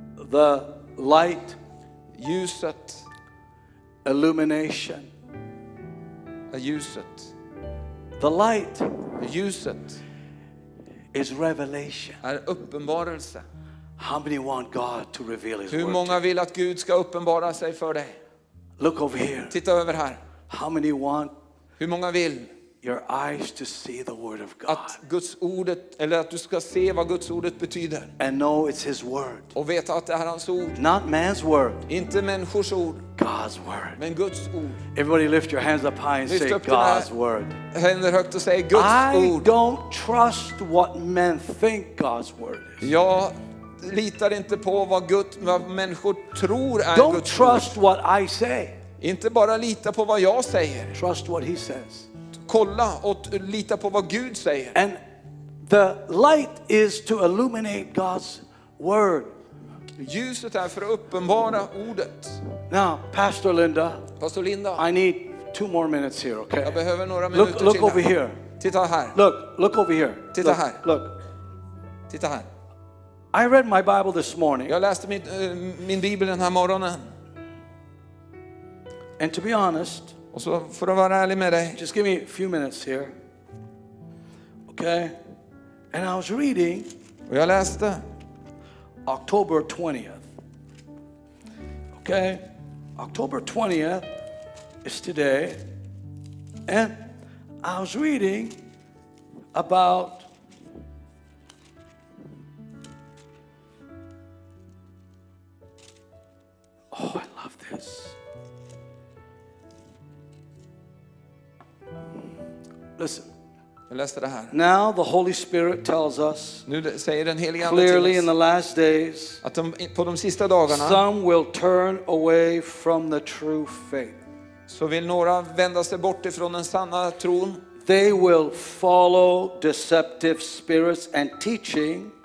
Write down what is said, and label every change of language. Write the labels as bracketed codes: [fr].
[en] The light, [sv] ljuset, [en] illumination, [sv] ljuset. [en] The light, [sv] ljuset, [en] is revelation. [sv] Är uppenbarelse. [en] How many want God to reveal His word? [sv] Hur många vill att Gud ska uppenbara sig för dig? [en] Look over here. [sv] Titta över här. [en] How many want? [sv] Hur många vill? [en] Your eyes to see the word of God. [sv] Att Guds ordet, eller att du ska se vad Guds ordet betyder. [en] And know it's his word. [sv] Och veta att det är hans ord. [en] Not man's word. [sv] Inte människors ord. [en] God's word. [sv] Men Guds ord. [en] Everybody lift your hands up high and [sv] lyft [en] say God's word. [sv] Händer högt och säg Guds [en] I [sv] ord. [en] I don't trust what men think God's word is. [sv] Jag litar inte på vad Guds vad människor tror är [en] don't [sv] Guds ord. [en] Don't trust what I say. [sv] Inte bara lita på vad jag säger. [en] Trust what he says. [sv] Kolla och lita på vad Gud säger. [en] And the light is to illuminate God's word. [sv] Ljuset är för att uppenbara ordet. [en] Now, Pastor Linda. [sv] Pastor Linda. [en] I need two more minutes here, okay? [sv] Jag behöver några minuter [en] look, [sv] till. [en] Look over here. [sv] Titta här. [en] Look over here. [sv] Titta [en] look, [sv] här. [en] Look. [sv] Titta här. [en] I read my Bible this morning. [sv] Jag läste min bibel den här morgonen. [en] And to be honest, [sv] och så för att vara ärlig med dig. [en] Just give me a few minutes here. Okay. And I was reading. [sv] Och jag läste. [en] October 20th. Okay. October 20th is today. And I was reading about oh, I love this. Listen. [sv] Jag läste det här. [en] Now the Holy Spirit tells us. [sv] Nu säger den helige ande [en] clearly in the last days. [sv] Att på de sista dagarna. [en] Some will turn away from the true faith. [sv] Så vill några vända sig bort ifrån den sanna tron. [en] They will follow deceptive spirits and teaching.